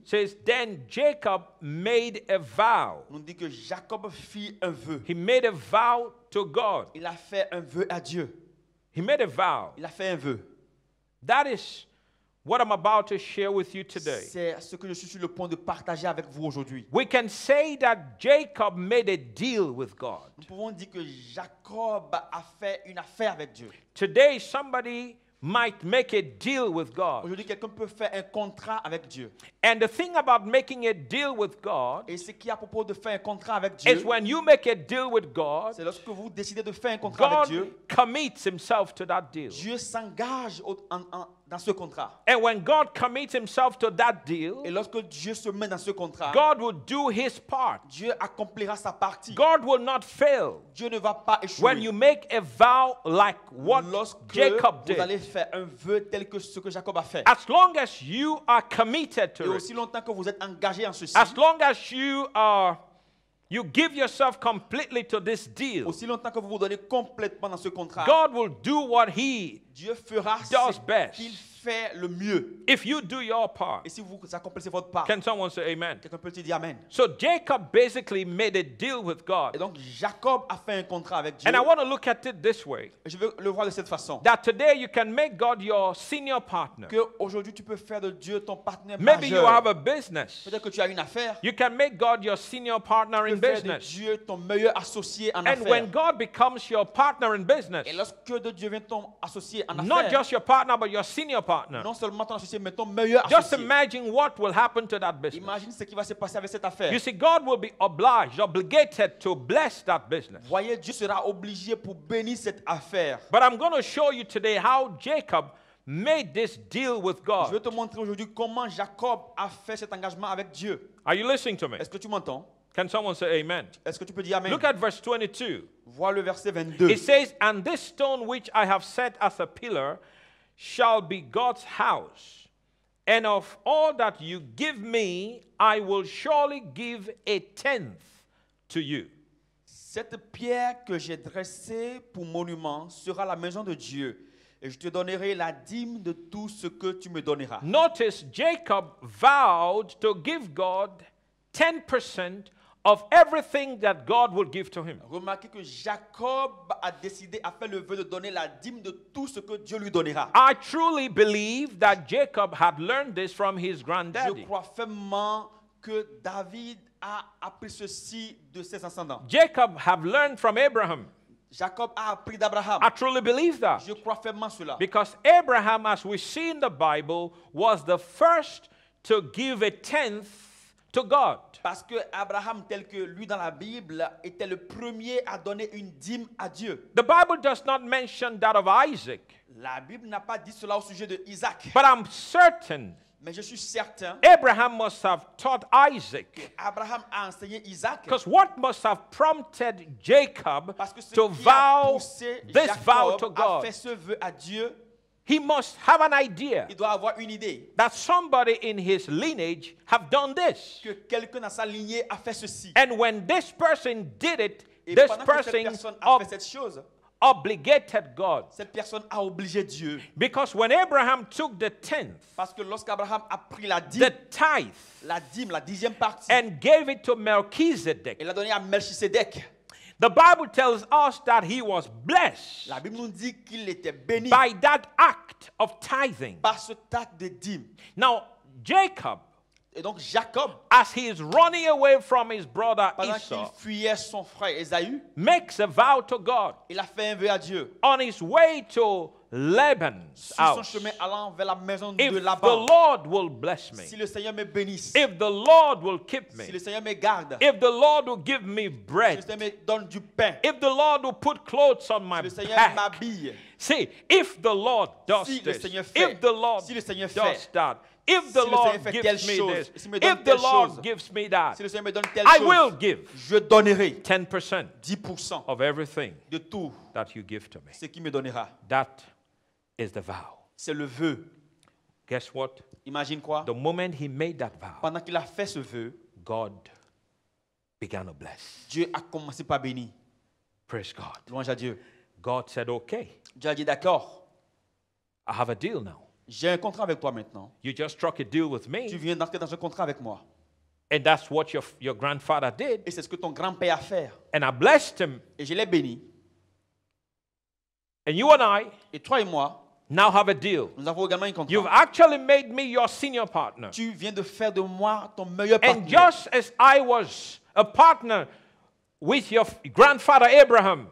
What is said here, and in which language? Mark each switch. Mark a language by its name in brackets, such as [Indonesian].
[English] Says then Jacob made a vow. [French] On dit que Jacob fit un vœu. [English] He made a vow to God. [French] Il a fait un vœu à Dieu. [English] He made a vow. [French] Il a fait un vœu. [English] That is what I'm about to share with you today. [French] C'est ce que je suis sur le point de partager avec vous aujourd'hui. [English] We can say that Jacob made a deal with God. [French] Nous pouvons dire que Jacob a fait une affaire avec Dieu. [English] Today somebody might make a deal with God. [French] Aujourd'hui, quelqu'un peut faire un contrat avec Dieu. [English] And the thing about making a deal with God, [French] et ce qui est à propos de faire un contrat avec Dieu, [English] is when you make a deal with God, [French] c'est lorsque vous décidez de faire un contrat [English] God [French] avec Dieu, [English] commits himself to that deal. [French] Dieu s'engage dans ce contrat. [English] And when God commits himself to that deal, [French] et lorsque Dieu se met dans ce contrat, [English] God will do his part. [French] Dieu accomplira sa partie. [English] God will not fail. [French] Dieu ne va pas échouer. [English] When you make a vow like what [French] lorsque Jacob vous [English] did, [French] allez faire un vœu tel que ce que Jacob a fait. [English] As long as you are committed to [French] et aussi longtemps que vous êtes engagé en ceci. [English] As long as you are you give yourself completely to this deal. [French] Aussi longtemps que vous vous donnez complètement dans ce contrat. [English] God will do what he [French] Dieu fera [English] does best. [French] Qu'il fait le mieux. [English] If you do your part. [French] Et si vous accomplissez votre part. [English] Can someone say amen? [French] Quelqu'un peut dire amen. [English] So Jacob basically made a deal with God. [French] Et donc Jacob a fait un contrat avec Dieu. [English] And I want to look at it this way. [French] Je veux le voir de cette façon. [English] That today you can make God your senior partner. [French] Que aujourd'hui tu peux faire de Dieu ton partenaire [English] Maybe [French] majeur. [English] You have a business. [French] Peut-être que tu as une affaire. [English] You can make God your senior partner in business. [French] Tu peux faire de Dieu ton meilleur associé en [English] And [French] affaire. [English] When God becomes your partner in business. [French] Et lorsque de Dieu vient ton associé [English] Not just your partner, but your senior partner. [French] Non seulement ton associé, mais ton meilleur [English] just [French] associé. [English] Imagine what will happen to that business. [French] Imagine ce qui va se passer avec cette affaire. [English] You see, God will be obligated to bless that business. [French] Voyez, Dieu sera obligé pour bénir cette affaire. [English] But I'm going to show you today how Jacob made this deal with God. [French] Je vais te montrer aujourd'hui comment Jacob a fait cet engagement avec Dieu. [English] Are you listening to me? [French] Est-ce que tu m'entends? [English] Can someone say amen? [French] Est-ce que tu peux dire amen? [English] Look at verse 22. [French] Vois le verset 22. [English] It says, and this stone which I have set as a pillar shall be God's house. And of all that you give me, I will surely give a tenth to you. [French] Cette pierre que j'ai dressée pour monument sera la maison de Dieu. Et je te donnerai la dîme de tout ce que tu me donneras. [English] Notice, Jacob vowed to give God 10% of everything that God would give to him. [French] Remarquez que Jacob a décidé à faire le vœu de donner la dîme de tout ce que Dieu lui donnera. [English] I truly believe that Jacob had learned this from his granddaddy. [French] Je crois fermement que David a appris ceci de ses ascendants. [English] Jacob have learned from Abraham. [French] Jacob a appris d'Abraham. [English] I truly believe that. [French] Je crois fermement cela. [English] Because Abraham, as we see in the Bible, was the first to give a tenth to God. [French] Parce que Abraham, tel que lui dans la Bible, était le premier à donner une dîme à Dieu. [English] The Bible does not mention that of Isaac. [French] La Bible n'a pas dit cela au sujet de Isaac. [English] But I'm certain. [French] Mais je suis certain. [English] Abraham must have taught Isaac. [French] Abraham a enseigné Isaac. [English] Because what must have prompted Jacob to vow this vow to God? [French] A fait ce vœu à Dieu. [English] He must have an idea. [French] Il doit avoir une idée. [English] That somebody in his lineage have done this. [French] Que quelqu'un dans sa lignée a fait ceci. [English] And when this person did it, [French] et [English] this person [French] que cette personne a fait cette chose, [English] obligated God. [French] Cette personne a obligé Dieu. [English] Because when Abraham took the tenth, [French] parce que lorsqu'Abraham a pris la dîme, [English] the tithe, [French] la dîme, la dixième partie, [English] and gave it to Melchizedek, [French] et l'a donné à Melchizedek, [English] the Bible tells us that he was blessed. [French] La Bible nous dit qu'il était béni [English] by that act of tithing. [French] Par ce acte de dîme. [English] Now, Jacob, [French] et donc Jacob, [English] as he is running away from his brother Esau, [French] qu'il fuyait son frère Esaü, [English] makes a vow to God. [French] Il a fait un vœu à Dieu. [English] On his way to Laban's [French] sur son [English] house, [French] chemin allant vers la maison [English] if [French] de Laban, [English] the Lord will bless me, [French] si le Seigneur me bénisse, [English] if the Lord will keep me, [French] si le Seigneur me garde, [English] if the Lord will give me bread, [French] si le Seigneur me donne du pain, [English] if the Lord will put clothes on my [French] si le Seigneur [English] back, [French] m'habille, [English] see, if the Lord does [French] si [English] this, [French] le Seigneur fait, [English] if the Lord [French] si le Seigneur [English] does [French] fait, [English] that, if [French] si [English] the [French] le [English] Lord [French] fait [English] gives [French] telle [English] me [French] chose, [English] this, [French] si me [English] if the [French] telle [English] Lord [French] chose, [English] gives me that, [French] si le Seigneur me donne telle [English] I [French] chose, [English] will give [French] je donnerai [English] 10% [French] 10% [English] of everything [French] de tout [English] that you give to me. [French] Ce qui me donnera. [English] That is the vow. [French] C'est le vœu. [English] Guess what? [French] Imagine quoi? [English] The moment he made that vow, [French] pendant qu'il a fait ce vœu, [English] God began to bless. [French] Dieu a commencé par bénir. [English] Praise God. [French] Louange à Dieu. [English] God said, okay. [French] Dieu a dit, d'accord. [English] I have a deal now. [French] J'ai un contrat avec toi maintenant. [English] You just struck a deal with me. [French] Tu viens d'entrer dans un contrat avec moi. [English] And that's what your grandfather did. [French] Et c'est ce que ton grand-père a fait. [English] And I blessed him. [French] Et je l'ai béni. [English] And you and I, [French] et toi et moi, [English] now have a deal. [French] Nous avons également un contrat. [English] You've actually made me your senior partner. [French] Tu viens de faire de moi ton meilleur partenaire. [English] And just as I was a partner with your grandfather Abraham.